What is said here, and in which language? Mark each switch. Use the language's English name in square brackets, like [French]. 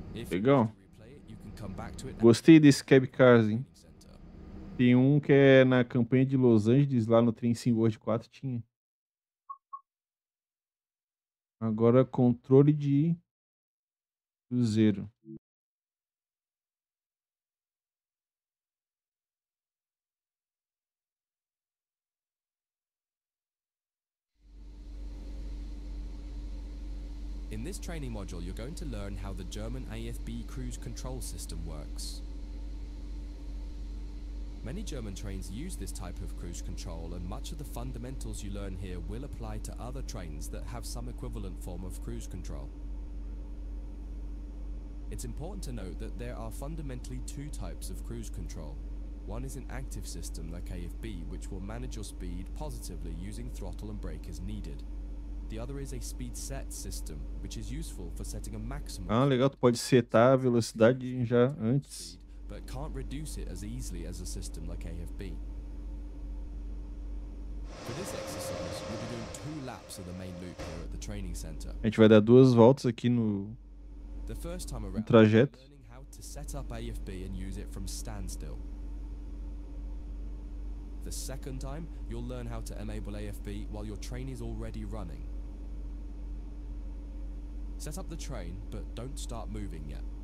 [English] If you want to replay it, you can come back to it. [Portuguese] Gostei desse cab cars, hein? Tem um que é na campanha de Los Angeles, lá no Train Sim World 4, tinha. Agora controle de cruzeiro. [English] In this training module, you're going to learn how the German AFB cruise control system works. Many German trains use this type of cruise control, and much of the fundamentals you learn here will apply to other trains that have some equivalent form of cruise control. It's important to note that there are fundamentally two types of cruise control. One is an active system like AFB, which will manage your speed positively using throttle and brake as needed. The other is a speed set system, which is useful for setting a maximum. [Portuguese] Ah, legal, tu pode setar a velocidade já antes. [English] But can't reduce it as easily as a system like AFB. For this exercise, we'll be doing two laps of the main loop here at the training center. [Portuguese] A gente vai dar duas voltas aqui no [English] The first time around, [Portuguese] trajeto. [English] We're learning how to set up AFB and use it from standstill. The second time, you'll learn how to enable AFB while your train is already running. Set up the train, but don't start moving yet.